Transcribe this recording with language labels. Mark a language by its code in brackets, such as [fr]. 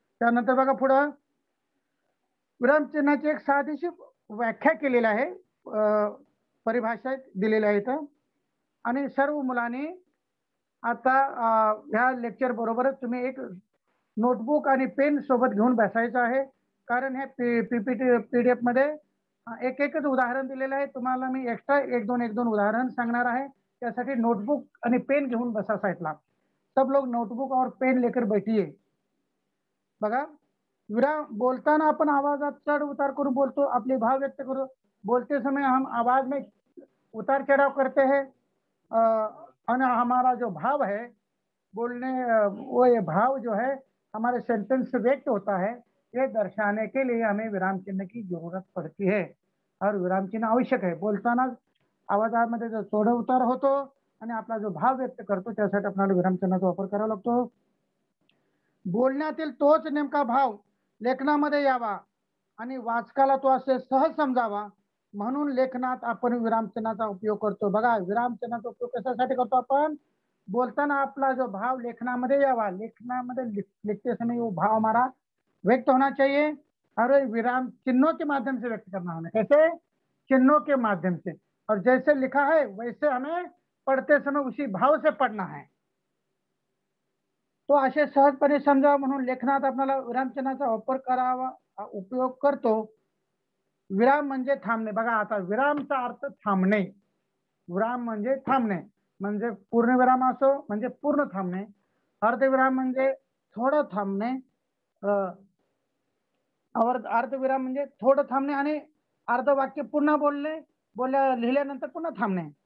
[mr] त्यानंतर बघा पुढं, विरामचिन्हाची एक साधीशी व्याख्या केलेली आहे, परिभाषेत दिलेली आहे इथं, आणि सर्व मुलांनी आता ह्या लेक्चर बरोबरच तुम्ही एक नोटबुक आणि पेन सोबत घेऊन बसायचं आहे, कारण ह्या PDF मध्ये एक एकच उदाहरण दिलेलं आहे, तुम्हाला मी एक्स्ट्रा एक दोन उदाहरण सांगणार आहे, त्यासाठी नोटबुक आणि पेन घेऊन बसा साईडला, [hi] सब लोग नोटबुक और पेन लेकर बैठिए. [mr] बघा विराम बोलताना आपण आवाजात चढ उतार करून बोलतो, आपले भाव व्यक्त करू, [hi] बोलते समय हम आवाज में उतार चढ़ाव करते हैं, और हमारा जो भाव है बोलने वो ये भाव जो है हमारे सेंटेंस व्यक्त होता है, ये दर्शाने के लिए हमें विराम चिन्ह की जरूरत पड़ती है और विराम चिन्ह आवश्यक है. [mr] बोलताना आवाजामध्ये जो चढ़ उतार होतो आणि आपला जो भाव व्यक्त करतो त्यासाठी आपल्याला विरामचिन्हाचा वापर करावा लागतो. बोलण्यातील तोच नेमका भाव लेखनामध्ये यावा आणि वाचकाला तो असे सहज समजावा म्हणून लेखनात आपण विरामचिन्हाचा उपयोग करतो. बघा विरामचिन्हाचा उपयोग कशासाठी करतो, आपण बोलताना आपला जो भाव लेखनामध्ये यावा, लेखनामध्ये [hi] लिखते समय भाव हमारा व्यक्त होना चाहिए और विराम चिन्हों के माध्यम से व्यक्त करना होना, कैसे, चिन्हों के माध्यम से, और जैसे लिखा है वैसे हमें पढ़ते समय उसी भाव से पढ़ना है, तो [mr] असे सहजपणे समजावा म्हणून लेखनात आपल्याला विरामचिन्हाचा वापर करावा उपयोग करतो. विराम म्हणजे थांबणे. बघा आता विरामचा अर्थ थांबणे, विराम म्हणजे थांबणे, म्हणजे पूर्ण विराम असो म्हणजे पूर्ण थांबणे, अर्धविराम म्हणजे थोडं थांबणे, अर्धविराम म्हणजे थोडं थांबणे आणि अर्ध वाक्य पुन्हा बोलल्या लिहिल्यानंतर पुन्हा थांबणे.